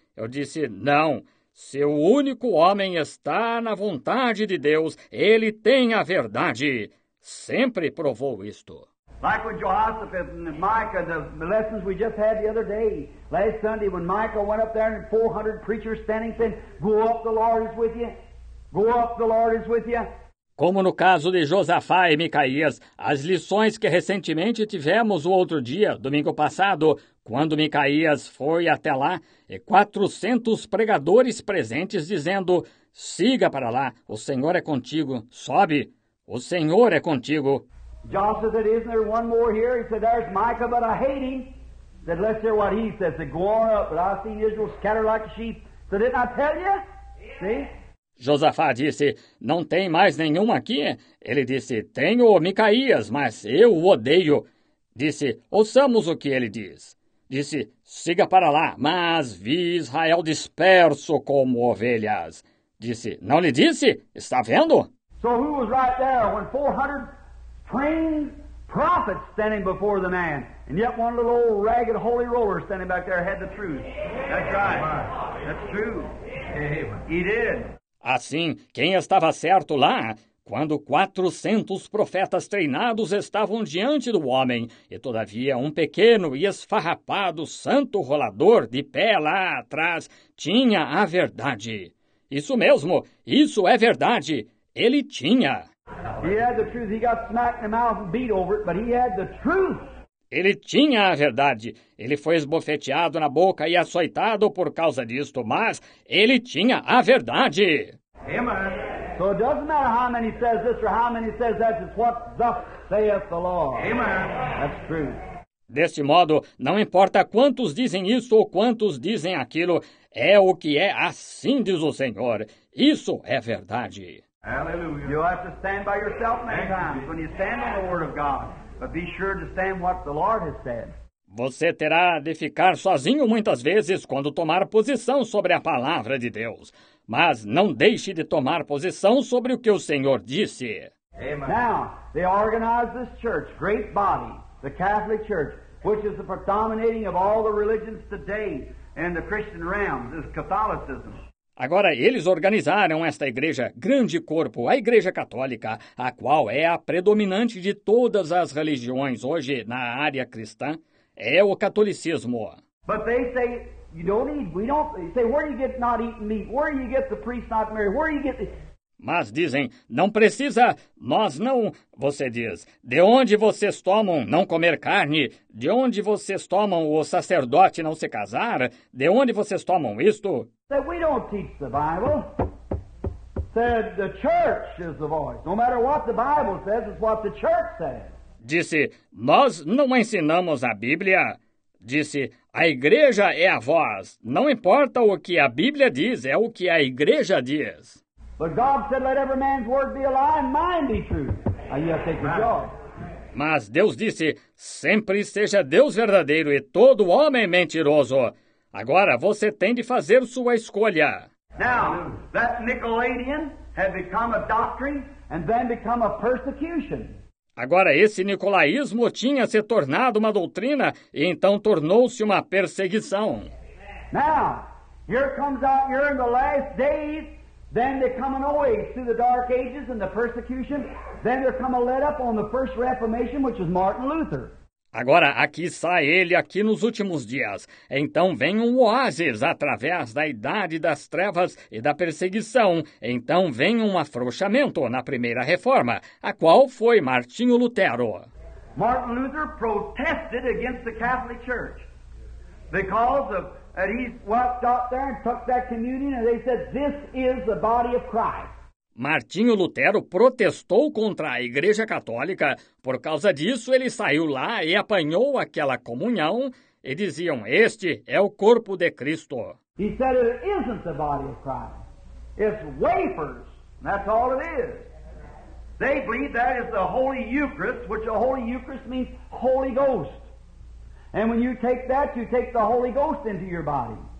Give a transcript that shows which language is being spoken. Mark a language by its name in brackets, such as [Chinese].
[Portuguese] Eu disse, não. Se o único homem está na vontade de Deus, ele tem a verdade. Sempre provou isto. [English] Like with Jehoshaphat and Micah, the lessons we just had the other day, last Sunday, when Micah went up there and 400 preachers standing said, "Go up, the Lord is with you. Go up, the Lord is with you." [Portuguese] Como no caso de Josafá e Micaías, as lições que recentemente tivemos o outro dia, domingo passado, quando Micaías foi até lá, e 400 pregadores presentes dizendo, "Siga para lá, o Senhor é contigo, sobe, o Senhor é contigo." [English] Joshua said, "Isn't there one more here?" He said, "There's Micah, but I hate him." Said, "Let's hear what he says." Said, "Go on up, but I've seen Israel scatter like a sheep." So didn't I tell you? See? [Portuguese] Josafá disse, "Não tem mais nenhum aqui?" Ele disse, "Tenho Micaías, mas eu o odeio." Disse, "Ouçamos o que ele diz." Disse, "Siga para lá, mas vi Israel disperso como ovelhas." Disse, "Não lhe disse? Está vendo?" [English] So who was right there when 400... trained prophet standing before the man, and yet one little old ragged holy roller standing back there had the truth. That's right. That's true. He did. [Portuguese] Assim, quem estava certo lá, quando 400 profetas treinados estavam diante do homem, e todavia um pequeno e esfarrapado santo rolador de pé lá atrás tinha a verdade. Isso mesmo, isso é verdade. Ele tinha. [English] He had the truth. He got smacked in the mouth and beat over it, but he had the truth. [Portuguese] Ele tinha a verdade. Ele foi esbofeteado na boca e açoitado por causa disto, mas ele tinha a verdade. Amen. [English] So it doesn't matter how many says this or how many says that, it's what thus saith the Lord. Amen. That's true. [Portuguese] Deste modo, não importa quantos dizem isso ou quantos dizem aquilo, é o que é, assim diz o Senhor. Isso é verdade. Hallelujah. [English] You have to stand by yourself many times when you stand on the word of God, but be sure to stand what the Lord has said. [Portuguese] Você terá de ficar sozinho muitas vezes quando tomar posição sobre a palavra de Deus. Mas não deixe de tomar posição sobre o que o Senhor disse. [English] Now, they organize this church, great body, the Catholic Church, which is the predominating of all the religions today in the Christian realm, is Catholicism. [Portuguese] Agora, eles organizaram esta igreja, grande corpo, a Igreja Católica, a qual é a predominante de todas as religiões hoje na área cristã, é o catolicismo. [English] But they say, you don't eat, we don't, you say, where do you get not eating meat? Where do you get the priest not married? Where do you get the... [Portuguese] Mas dizem, não precisa, nós não, você diz, de onde vocês tomam não comer carne? De onde vocês tomam o sacerdote não se casar? De onde vocês tomam isto? [English] That we don't teach the Bible. Said the church is the voice. No matter what the Bible says, it's what the church says. [Portuguese] Disse, nós não ensinamos a Bíblia. Disse, a igreja é a voz. Não importa o que a Bíblia diz, é o que a igreja diz. [English] But God said, let every man's word be a lie and mine be truth. And you have to take your job. [Portuguese] Mas Deus disse, sempre seja Deus verdadeiro e todo homem mentiroso. Agora você tem de fazer sua escolha. [English] Now, that Nicolaitan had become a doctrine and then become a persecution. [Portuguese] Agora, esse nicolaísmo tinha se tornado uma doutrina e então tornou-se uma perseguição. [English] Now, here comes out, you're in the last days. Then there come an oasis through the dark ages and the persecution. Then there come a let up on the first reformation, which was Martin Luther. [Portuguese] Agora, aqui sai ele, aqui nos últimos dias. Então vem um oásis através da idade das trevas e da perseguição. Então vem um afrouxamento na primeira reforma, a qual foi Martinho Lutero. [English] Martin Luther protested against the Catholic Church because of... And he walked out there and took that communion, and they said, "This is the body of Christ." [Portuguese] Martinho Lutero protestou contra a Igreja Católica. Por causa disso, ele saiu lá e apanhou aquela comunhão. E diziam, "Este é o corpo de Cristo." [English] He said, "It isn't the body of Christ. It's wafers. That's all it is." They believe that is the Holy Eucharist, which the Holy Eucharist means Holy Ghost. And when you take that, you take the Holy Ghost into your body.